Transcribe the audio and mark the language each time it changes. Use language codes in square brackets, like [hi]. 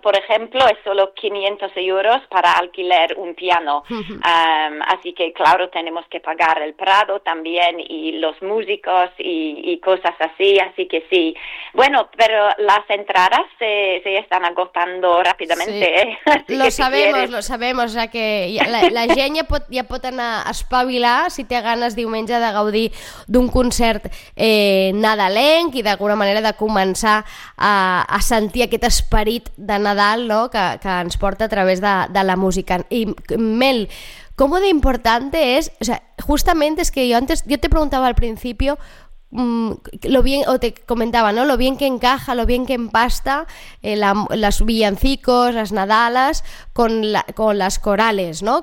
[es] por ejemplo, es solo 500 euros para alquilar un piano, uh-huh. Así que claro, tenemos que pagar el Prado también y los músicos y cosas así que sí. Bueno, pero las entradas se están agotando rápidamente, sí. ¿eh? Lo sabemos, o sea que [ca] la gent ja pot anar a espavilar si té ganes diumenge de gaudir d'un concert nadalenc i d'alguna manera de començar a sentir aquest esperit de Nadal, no?, que ens porta a través de la música. [es] I Mel, ¿cómo de importante es? O sea, justamente es que yo antes, yo te preguntaba al principio lo bien, o te comentaba, ¿no? Lo bien que encaja, lo bien que empasta los villancicos, las nadalas, con las corales, ¿no?